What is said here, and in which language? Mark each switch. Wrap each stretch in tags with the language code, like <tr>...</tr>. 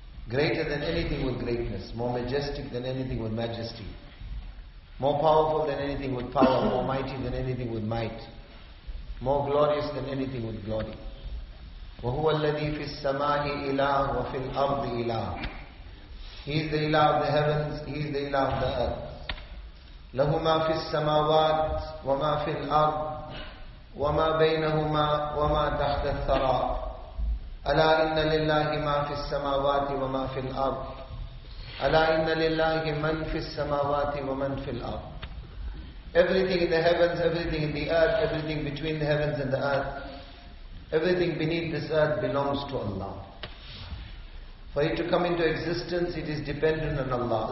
<en>Greater than anything with greatness, more majestic than anything with majesty, more powerful than anything with power, more mighty than anything with might, more glorious than anything with glory.</en> <ar>وهو الذي في السماء إله وفي الأرض إله.</ar> <en>He is the إله of the heavens, He is the إله of the earth.</en> <ar>له ما في السماوات وما في الأرض وما بينهما وما تحت الثرى. ألا إن لله ما في السماوات وما في الأرض. ألا إن لله من في السماوات ومن في الأرض.</ar> <en>Everything in the heavens, everything in the earth, everything between the heavens and the earth, everything beneath this earth belongs to Allah. For it to come into existence, it is dependent on Allah.</en>